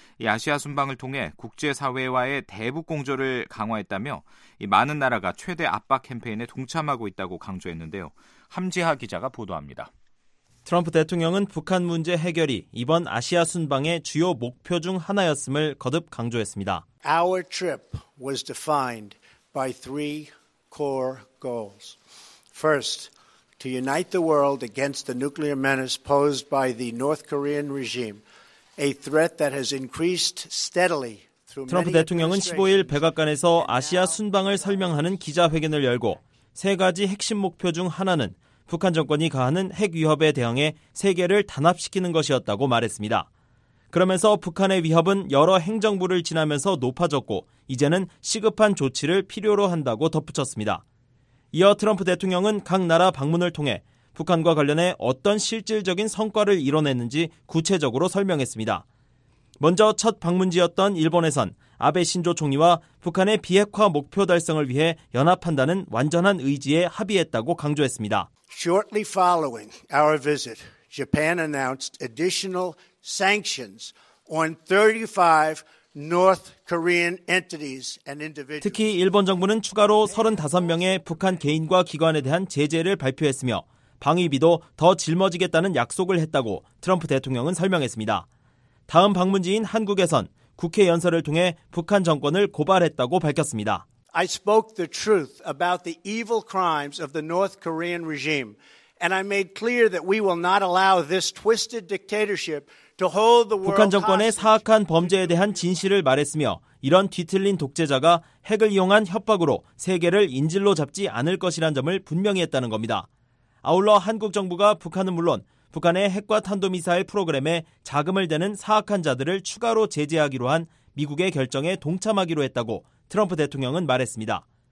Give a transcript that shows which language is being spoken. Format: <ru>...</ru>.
<ko>이 아시아 순방을 통해 국제사회와의 대북 공조를 강화했다며 이 많은 나라가 최대 압박 캠페인에 동참하고 있다고 강조했는데요. 함지하 기자가 보도합니다. 트럼프 대통령은 북한 문제 해결이 이번 아시아 순방의 주요 목표 중 하나였음을 거듭 강조했습니다.</ko> <en>Our trip was defined by three core goals. First, to unite the world against the nuclear menace posed by the North Korean regime, a threat that has increased steadily.</en> <ko>트럼프 대통령은 15일 백악관에서 아시아 순방을 설명하는 기자회견을 열고 세 가지 핵심 목표 중 하나는 북한 정권이 가하는 핵 위협에 대항해 세계를 단합시키는 것이었다고 말했습니다. 그러면서 북한의 위협은 여러 행정부를 지나면서 높아졌고 이제는 시급한 조치를 필요로 한다고 덧붙였습니다. 이어 트럼프 대통령은 각 나라 방문을 통해 북한과 관련해 어떤 실질적인 성과를 이뤄냈는지 구체적으로 설명했습니다. 먼저 첫 방문지였던 일본에선 아베 신조 총리와 북한의 비핵화 목표 달성을 위해 연합한다는 완전한 의지에 합의했다고 강조했습니다.</ko> <en>Shortly following our visit, Japan announced additional sanctions on 35 North Korean entities and individuals.</en> <ko>특히 일본 정부는 추가로 35명의 북한 개인과 기관에 대한 제재를 발표했으며 방위비도 더 짊어지겠다는 약속을 했다고 트럼프 대통령은 설명했습니다. 다음 방문지인 한국에선 국회 연설을 통해 북한 정권을 고발했다고 밝혔습니다.</ko> <en>I spoke the truth about the evil crimes of the North Korean regime, and I made clear that we will not allow this twisted dictatorship to hold the world.</en> <ko>북한 정권의 사악한 범죄에 대한 진실을 말했으며 이런 뒤틀린 독재자가 핵을 이용한 협박으로 세계를 인질로 잡지 않을 것이란 점을 분명히 했다는 겁니다. 아울러 한국 정부가 북한은 물론 북한의 핵과 탄도미사일 프로그램에 자금을 대는 사악한 자들을 추가로 제재하기로 한 미국의 결정에 동참하기로 했다고 트럼프 대통령은 말했습니다.</ko>